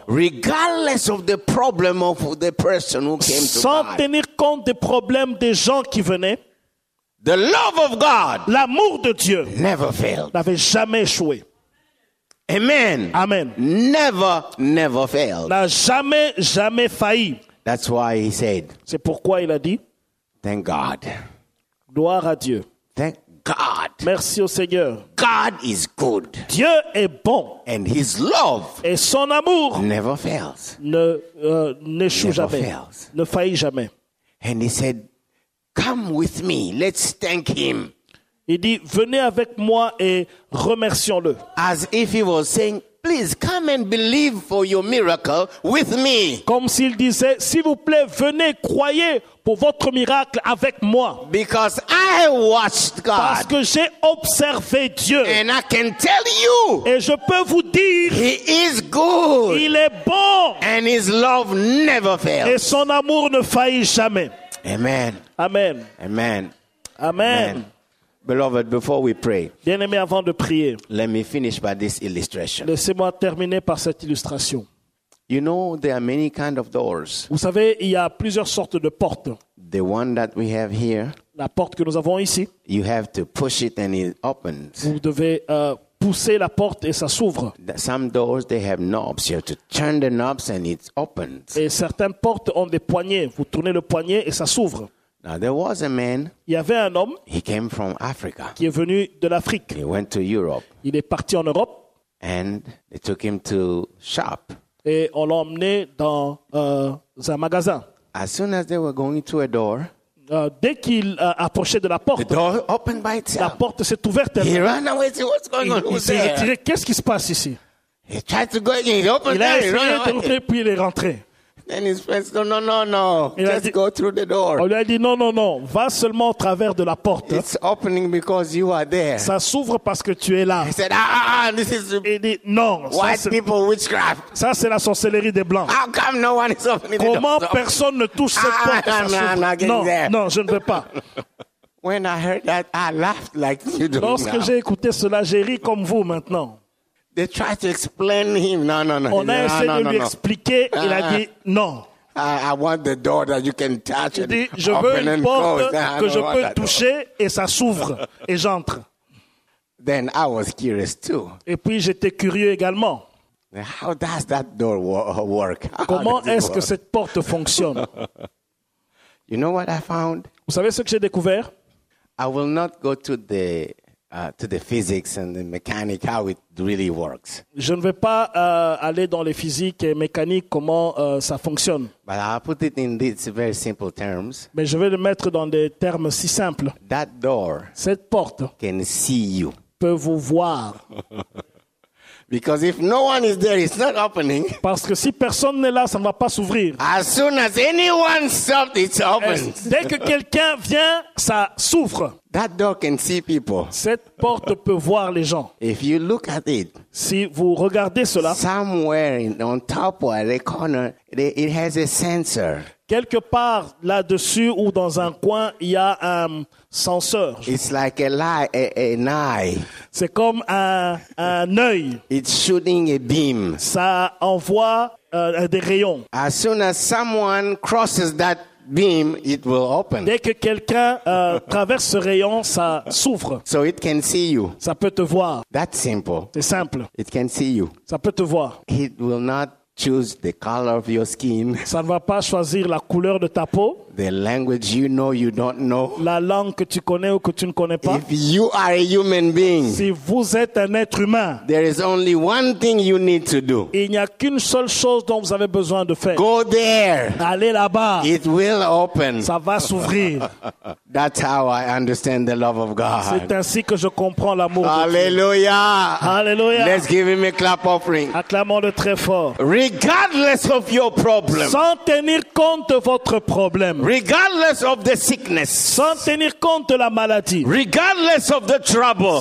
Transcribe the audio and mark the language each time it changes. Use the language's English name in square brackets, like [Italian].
[English] Regardless of the problem of the person who came to God. [French] Sans tenir compte des problèmes des gens qui venaient. [English] The love of God, [French] l'amour de Dieu, [English] never failed, [French] n'avait jamais échoué. Amen. Amen. [English] Never, never failed. [French] N'a jamais, jamais failli. [English] That's why he said. [French] C'est pourquoi il a dit. [English] Thank God. [French] Gloire à Dieu. [English] Thank God. [French] Merci au Seigneur. [English] God is good. [French] Dieu est bon. [English] And his love. [French] Et son amour. [English] Never fails. [French] N'échoue jamais. [English] Never fails. [French] Ne faillit jamais. [English] And he said, "Come with me. Let's thank him." [French] Il dit, venez avec moi et remercions-le. [English] As if he was saying, please come and believe for your miracle with me. [French] Comme s'il disait, s'il vous plaît, venez, croyez pour votre miracle avec moi. [English] Because I watched God. [French] Parce que j'ai observé Dieu. [English] And I can tell you. [French] Et je peux vous dire. [English] He is good. [French] Il est bon. [English] And his love never fails. [French] Et son amour ne faillit jamais. Amen. Amen. Amen. Amen. [English] Beloved, before we pray, [French] bien-aimé, avant de prier, [English] let me finish by this illustration. [French] Laissez-moi terminer par cette illustration. [English] You know, there are many kind of doors. [French] Vous savez, il y a plusieurs sortes de portes. [English] The one that we have here, [French] la porte que nous avons ici, [English] you have to push it and it opens. [French] Vous devez pousser la porte et ça s'ouvre. [English] Some doors, they have knobs. You have to turn the knobs and it opens. [French] Et certaines portes ont des poignées. Vous tournez le poignet et ça s'ouvre. [English] Now there was a man. [French] Il y avait un homme. [English] He came from Africa. [French] Qui est venu de l'Afrique. [English] He went to Europe. [French] Il est parti en Europe. [English] And they took him to shop. [French] Et on l'a emmené dans un magasin. [English] As soon as they were going through a door. [French] Dès qu'il approchait de la porte. [English] The door opened by itself. [French] La porte s'est ouverte. [English] He ran away. See what's going on. [French] Il s'est retiré. Qu'est-ce qui se passe ici? [English] He tried to go again. He opened. [French] Il a essayé de rentrer puis il est rentré. [English] And his friends said, no, just go through the door. [French] On lui a dit, non, va seulement au travers de la porte. [English] It's opening because you are there. [French] Ça s'ouvre parce que tu es là. [English] He said, this is white people witchcraft. [French] Ça, c'est la sorcellerie des Blancs. [English] How come no one is opening the door? [French] Comment personne ne touche cette porte? Non, je ne veux pas. [English] When I heard that, I laughed like you do. [French] Lorsque [English] now. [French] J'ai écouté cela, j'ai ri comme vous maintenant. [English] They tried to explain him. [French] On a essayé de lui expliquer. Il a dit non. [English] I want the door that you can touch. [French] Il dit, je veux une porte que je peux toucher et ça s'ouvre et j'entre. [English] Then I was curious too. [French] Et puis j'étais curieux également. [English] How does that door work? [French] Comment est-ce que cette porte fonctionne? [English] You know what I found? [French] Vous savez ce que j'ai découvert? [English] I will not go to the to the physics and the mechanics, how it really works. [French] Je ne vais pas aller dans les physiques et mécaniques, comment ça fonctionne. [English] But I'll put it in these very simple terms. [French] Mais je vais le mettre dans des termes si simples. [English] That door, [French] cette porte, [English] can see you. [French] Peut vous voir. [English] Because if no one is there, it's not opening. [French] Parce que si personne n'est là, ça ne va pas s'ouvrir. [English] As soon as anyone stops, it opens. [French] Dès que quelqu'un vient, ça s'ouvre. [English] That door can see people. [French] Cette porte peut voir les gens. [English] If you look at it, [French] si vous regardez cela, [English] somewhere on top or at the corner, it has a sensor. [French] Quelque part là-dessus ou dans un coin, il y a un senseur. [English] It's like an eye. [French] C'est comme un œil. [English] It's shooting a beam. [French] Ça envoie des rayons. [English] As soon as someone crosses that beam, it will open. [French] Dès que quelqu'un traverse ce rayon, ça s'ouvre. [English] So it can see you. [French] Ça peut te voir. [English] That's simple. [French] C'est simple. [English] It can see you. [French] Ça peut te voir. [English] It will not choose the color of your skin. [French] Ça ne va pas choisir la couleur de ta peau. [English] The language you know you don't know. [French] La langue que tu connais ou que tu ne connais pas. [English] If you are a human being. [French] Si vous êtes un être humain. [English] There is only one thing you need to do. [French] Il n'y a qu'une seule chose dont vous avez besoin de faire. [English] Go there. [French] Allez là-bas. [English] It will open. [French] Ça va s'ouvrir. [English] That's how I understand the love of God. [French] C'est ainsi que je comprends l'amour de Dieu. Alléluia. Alléluia. [English] Let's give him a clap offering. [French] Acclamons-le très fort. [English] Regardless of your problem. [French] Sans tenir compte de votre problème. [English] Regardless of the sickness, [French] sans tenir compte de la maladie. [English] Regardless of the trouble,